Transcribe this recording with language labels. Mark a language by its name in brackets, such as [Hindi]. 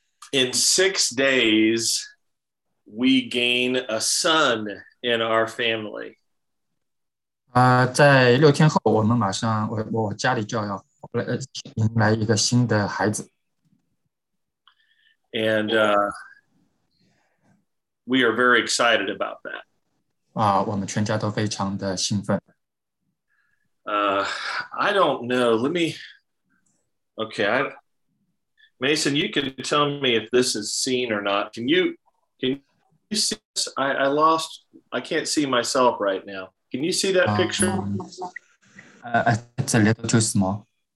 [English] In 6 days, we gain a son in our family. [Chinese] 在6天后，我们马上，我家里就要迎来一个新的孩子。 [English] And we are very excited about that. [Chinese] 我们全家都非常的兴奋。 [English] I don't know. Let me. Okay, Mason, you can tell me if this is seen or not. Can you see this? I can't see myself right now. Can you see that picture? It's a little too small.